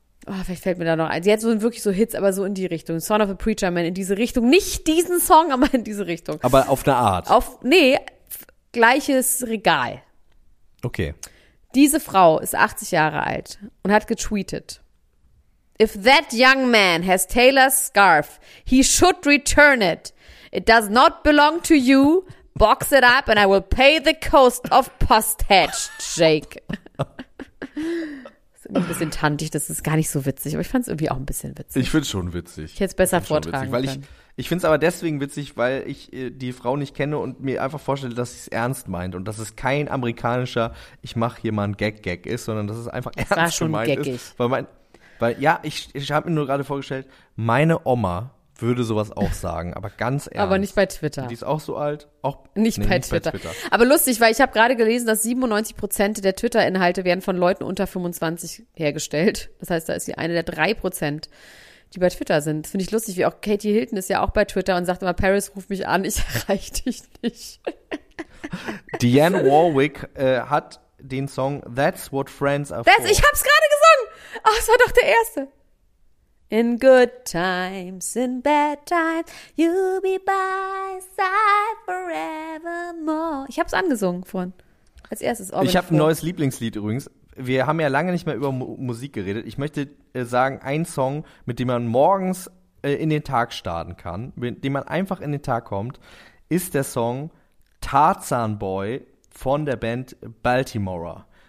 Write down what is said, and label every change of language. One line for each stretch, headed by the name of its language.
German: Oh, vielleicht fällt mir da noch ein. Sie hat so wirklich so Hits, aber so in die Richtung. Son of a Preacher Man in diese Richtung. Nicht diesen Song, aber in diese Richtung. Aber auf eine Art. Gleiches Regal. Okay. Diese Frau ist 80 Jahre alt und hat getweetet.
English: If that young man has Taylor's scarf, he should return it. It does not belong to you. Box it up and I will pay the cost of postage, Jake.
German: Das ist ein bisschen tantig, das ist gar nicht so witzig, aber ich fand es irgendwie auch ein bisschen witzig. Ich finde es schon witzig. Ich hätte es besser vortragen können. Ich finde es aber deswegen witzig, weil ich die Frau nicht kenne und mir einfach vorstelle, dass sie es ernst meint und dass es kein amerikanischer, ich mache hier mal ein Gag ist, sondern dass es einfach ernst gemeint ist. Das war schon geckig. Ich habe mir nur gerade vorgestellt, meine Oma würde sowas auch sagen, aber ganz ernst. Aber nicht bei Twitter. Die ist auch so alt. Nicht bei Twitter. Aber lustig, weil ich habe gerade gelesen, dass 97% der Twitter-Inhalte werden von Leuten unter 25 hergestellt. Das heißt, da ist sie eine der 3%. Die bei Twitter sind. Das finde ich lustig, wie auch Katie Hilton ist ja auch bei Twitter und sagt immer, Paris, ruf mich an, ich erreiche dich nicht. Dionne Warwick hat den Song That's What Friends Are For. Ich hab's gerade gesungen. Ach, es war doch der erste.
English: In good times, in bad times, you'll be by side forevermore.
German: Ich hab's angesungen vorhin. Als erstes. Ich habe ein neues Lieblingslied übrigens. Wir haben ja lange nicht mehr über Musik geredet. Ich möchte sagen, ein Song, mit dem man morgens in den Tag starten kann, mit dem man einfach in den Tag kommt, ist der Song Tarzan Boy von der Band Baltimora.